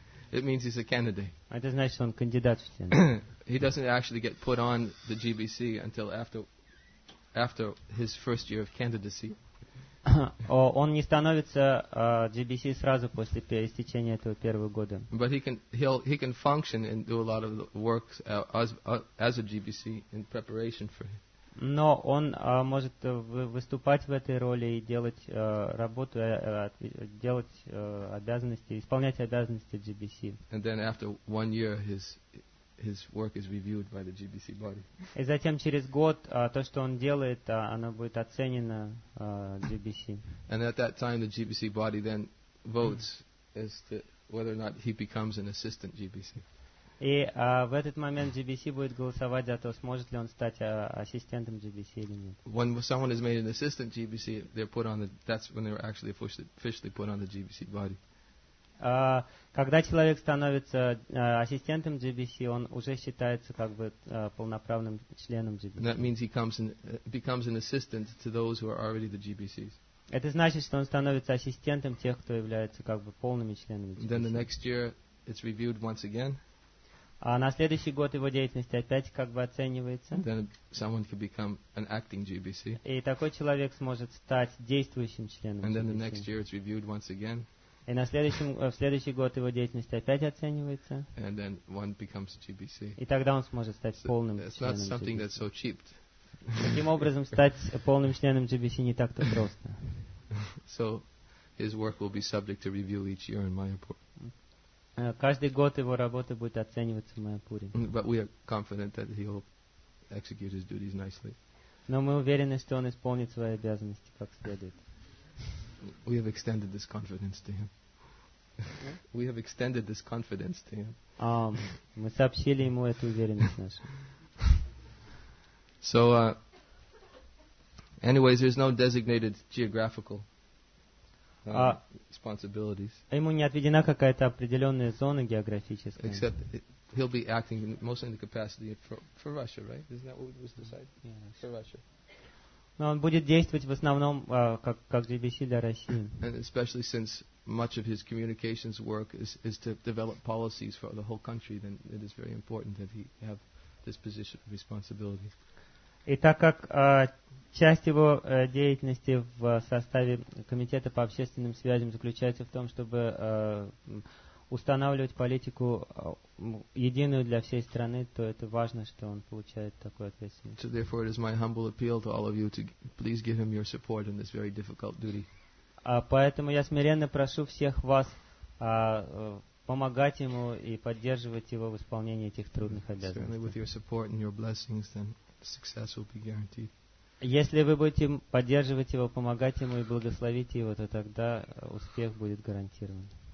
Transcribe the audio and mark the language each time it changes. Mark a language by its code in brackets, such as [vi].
[en] It means he's a candidate. [ru] Это значит, что он кандидат в член. [en] He doesn't actually get put on the GBC until after his first year of candidacy. [ru] Он не становится GBC сразу после истечения этого первого года. [en] But he can function and do a lot of works as a GBC in preparation for him. [ru] Но он может выступать в этой роли и делать работу, делать обязанности, исполнять обязанности GBC. [en] And then after one year his work is reviewed by the GBC body. [ru] И затем через год то, что он делает, оно будет оценено GBC. [en] And at that time the GBC body then votes as to whether or not he becomes an assistant GBC. [ru] И в этот момент GBC будет голосовать за то, сможет ли он стать ассистентом GBC или нет. [en] When someone is made an assistant GBC, they're put on that's when they're actually officially put on the GBC body. [ru] Когда человек становится ассистентом GBC, он уже считается как бы полноправным членом GBC. [en] That means he becomes an assistant to those who are already the GBCs. [ru] Это значит, что он становится ассистентом тех, кто является как бы полными членами GBC. [en] Then the next year it's reviewed once again. [ru] А на следующий год его деятельность опять как бы оценивается. [en] Then someone could become an acting GBC. [ru] И такой человек сможет стать действующим членом GBC. [en] And then the next year it's reviewed once again. [ru] И на следующем, в следующий год его деятельность опять оценивается. [en] And then one becomes GBC. [ru] И тогда он сможет стать [en] so [ru] полным [en] it's [ru] членом [en] not something [ru] GBC. [en] That's so cheap. [ru] Таким образом, стать полным членом GBC не так-то просто. [en] So his work will be subject to review each year in Mayapur. [ru] Каждый год его работа будет оцениваться в Майяпуре. [en] But we are confident that he'll execute his duties nicely. [ru] Но мы уверены, что он исполнит свои обязанности как следует. [en] We have extended this confidence to him. Yeah? We have extended this confidence to him. [ru] Мы сообщили ему эту уверенность нашу. [en] So, anyways, there's no designated geographical responsibilities. [ru] Ему не отведена какая-то определенная зона географическая. [en] Except he'll be acting mostly in the capacity for Russia, right? Isn't that what was decided? Yes. For Russia. [ru] Но он будет действовать в основном как BBC для России. [en] And especially since much of his communications work is to develop policies for the whole country, then it is very important that he have this position of responsibility. [ru] И так как часть его деятельности в составе Комитета по общественным связям заключается в том, чтобы устанавливать политику единую для всей страны, то это важно, что он получает такую ответственность. [en] So therefore it is my humble appeal to all of you to please give him your support in this very difficult duty. [ru] Поэтому я смиренно прошу всех вас помогать ему и поддерживать его в исполнении этих трудных обязанностей. [en] Certainly with your support and your blessings, then success will be guaranteed. [ru] Если вы будете поддерживать его, помогать ему и благословить его, то тогда успех будет гарантирован.